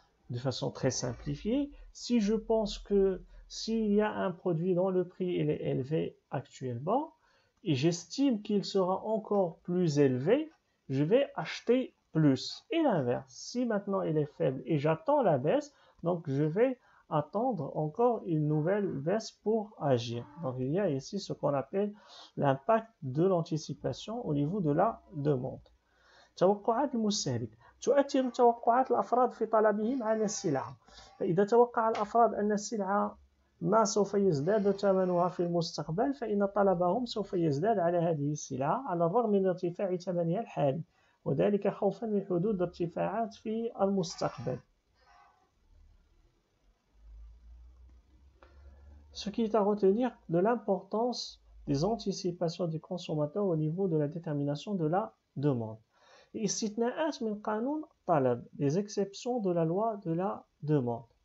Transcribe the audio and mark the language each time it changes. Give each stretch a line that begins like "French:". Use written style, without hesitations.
French: De façon très simplifiée, si je pense que s'il y a un produit dont le prix est élevé actuellement et j'estime qu'il sera encore plus élevé, je vais acheter plus. Et l'inverse, si maintenant il est faible et j'attends la baisse, donc je vais attendre encore une nouvelle baisse pour agir. Donc il y a ici ce qu'on appelle l'impact de l'anticipation au niveau de la demande.
Arabic: توقعات المستهلك تؤثر توقعات الأفراد في طلبهم على السلعة. فإذا توقع الأفراد أن السلعة ما سوف يزداد ثمنها في المستقبل، فإن طلبهم سوف يزداد على هذه السلعة على الرغم من ارتفاع ثمنها الحالي، وذلك خوفا من حدوث ارتفاعات في المستقبل.
French: Ce qui est à retenir de l'importance des anticipations du consommateur au niveau de la détermination de la demande.
Arabic: استثناءات من قانون طلب,
French: des exceptions de la loi de la demande.